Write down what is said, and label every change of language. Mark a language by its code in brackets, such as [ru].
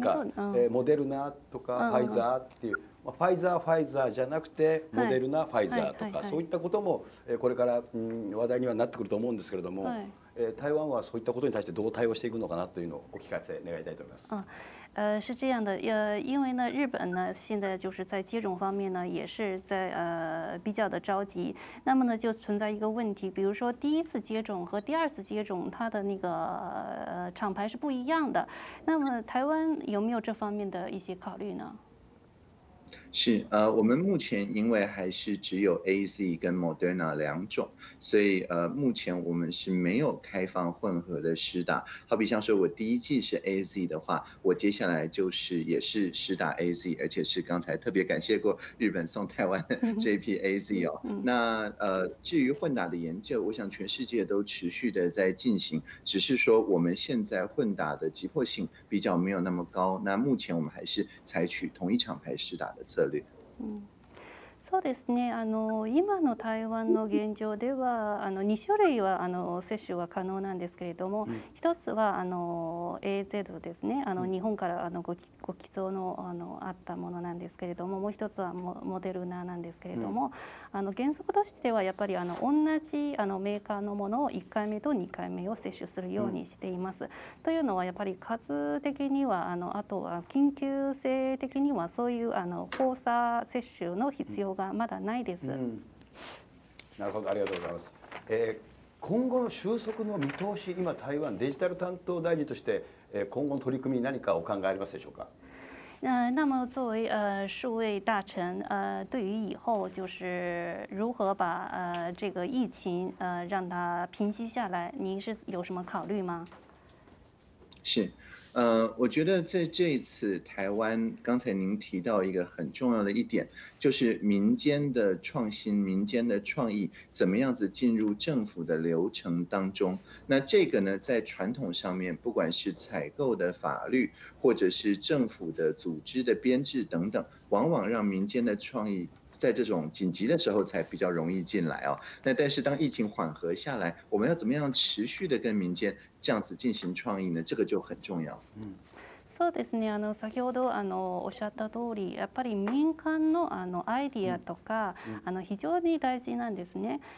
[ja] 回目カと、ー、モデルナとかファイザーっていう、ファイザーじゃなくてモデルナ、ファイザーとか、そういったこともこれから話題にはなってくると思うんですけれども、台湾はそういったことに対してどう対応していくのかなというのをお聞かせ願いたいと思います。 [zh] 是这样的。因为呢，日本呢现在就是在接种方面呢也是在比较的着急。那么呢就存在一个问题，比如说第一次接种和第二次接种，它的那个厂牌是不一样的。那么台湾有没有这方面的一些考虑呢？是，我们目前因为还是只有 AZ 跟 Moderna 两种，所以目前我们是没有开放混合的施打。好比像说我第一剂是 AZ 的话，我接下来就是也是施打 AZ，而且是刚才特别感谢过日本送台湾的这批 AZ 哦。那至于混打的研究，我想全世界都持续的在进行，只是说我们现在混打的急迫性比较没有那么高。那目前我们还是采取同一厂牌施打的策略。 [ja] そうですね。今の台湾の現状では、2種類は接種は可能なんですけれども、1つはAZ ですね。日本からご寄贈の、あったものなんですけれども、もう1つはモデルナなんですけれども、原則としてはやっぱり同じメーカーのものを1回目と2回目を接種するようにしています。というのはやっぱり数的には、あとは緊急性的にはそういう交差接種の必要がまだないです。なるほど、ありがとうございます。今後の収束の見通し、今、台湾デジタル担当大臣として、今後の取り組み、何かお考えありますでしょうか。 [zh] 那么作为数位大臣，对于以后就是如何把这个疫情让它平息下来，您是有什么考虑吗？是。我觉得在这一次台湾，刚才您提到一个很重要的一点，就是民间的创新、民间的创意怎么样子进入政府的流程当中。那这个呢，在传统上面，不管是采购的法律，或者是政府的组织的编制等等，往往让民间的创意在这种紧急的时候才比较容易进来哦。那但是当疫情缓和下来，我们要怎么样持续的跟民间这样子进行创意呢？这个就很重要。 [ja] そうですね。先ほどおっしゃった通り、やっぱり民間のアイディアとか非常に大事なんですね。